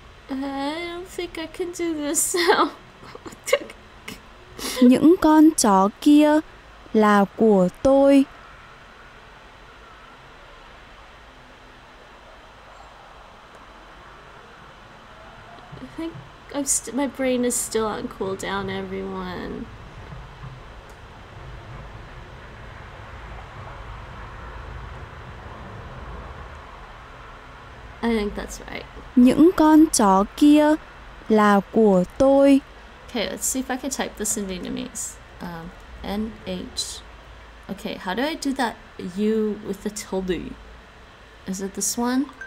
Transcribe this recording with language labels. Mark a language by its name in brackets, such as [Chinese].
[English] I don't think I can do this now. [Vietnamese] Những con chó kia là của tôi. [English] I think my brain is still on cooldown, everyone. I think that's right. [Vietnamese] Những con chó kia là của tôi. [English] Okay, let's see if I can type this in Vietnamese. N-H. Okay, how do I do that U with the tilde? Is it this one?